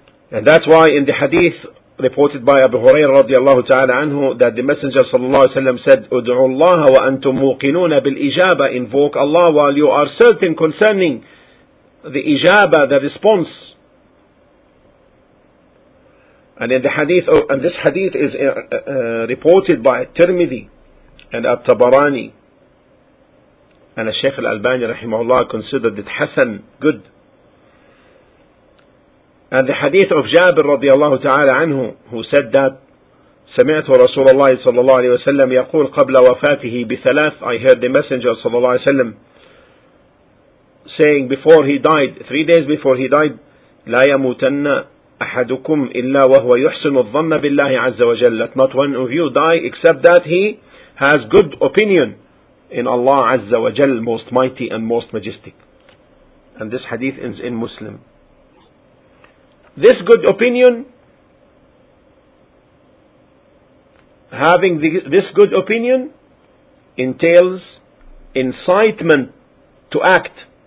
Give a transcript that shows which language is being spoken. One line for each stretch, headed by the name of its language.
English: And that's why in the hadith reported by Abu Hurairah radiallahu ta'ala anhu, that the Messenger sallallahu alayhi wa sallam said,
Arabic: Udu'u Allah wa antum muqinuna bil ijaba,
English: invoke Allah while you are certain concerning the ijaba, the response. And in the hadith, and this hadith is reported by Tirmidhi and At-Tabarani, and Al-Shaykh Al-Albani rahimahullah considered it hasan, good. And the hadith of Jabir radiallahu ta'ala anhu, who said that
Arabic: سمعت رسول الله صلى الله عليه وسلم يقول قبل وفاته بثلاث,
English: I heard the Messenger صلى الله عليه وسلم saying before he died, 3 days before he died,
Arabic: لا يموتن أحدكم إلا وهو يحسن الظن بالله عز وجل.
English: Let not one of you die except that he has good opinion in Allah عز وجل, most mighty and most majestic. And this hadith ends in Muslim. This good opinion, having this good opinion, entails incitement to act.